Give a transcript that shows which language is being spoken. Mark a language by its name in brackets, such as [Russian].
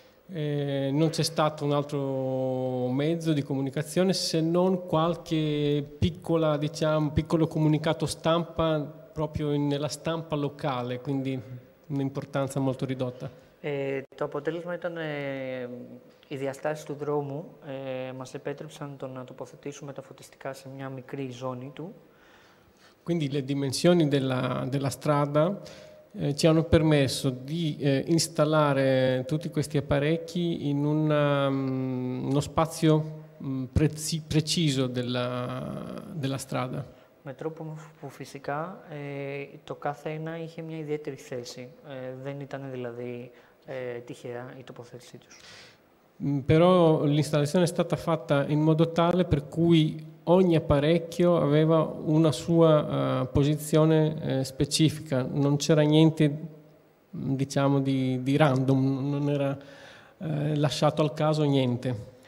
[Italian] Non c'è stato un altro mezzo di comunicazione se non qualche piccola, diciamo, piccolo comunicato stampa proprio nella stampa locale, quindi un'importanza molto ridotta. [Greek] Το αποτέλεσμα ήταν οι διαστάσεις του δρόμου μας επέτρεψαν το να τοποθετήσουμε τα φωτιστικά σε μια μικρή ζώνη του. [Italian] Quindi le dimensioni della strada ci hanno permesso di installare tutti questi apparecchi in uno spazio preciso della strada. [Greek] Με τρόπο που φυσικά το κάθε ένα είχε μια ιδιαίτερη θέση. Δεν ήταν δηλαδή τυχαία η τοποθέτησή τους. [Italian] Però l'installazione è stata fatta in modo tale per cui ogni apparecchio aveva una sua posizione specifica, non c'era niente, diciamo, di random, non era lasciato al caso niente.